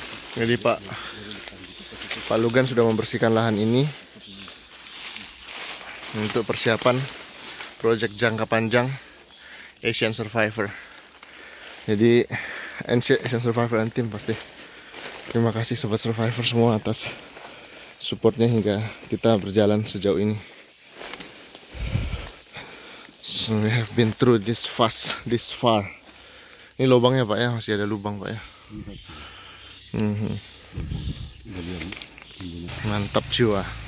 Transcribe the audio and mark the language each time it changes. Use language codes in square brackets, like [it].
[id] Jadi Pak, Pak Lugan sudah membersihkan lahan ini untuk persiapan proyek jangka panjang Asian Survivor. Jadi Asian Survivor and Team pasti. Terima kasih Sobat Survivor semua atas supportnya hingga kita berjalan sejauh ini. [en] So we have been through this fast, this far. [id] Ini lubangnya Pak ya, masih ada lubang Pak ya. Mantap jiwa.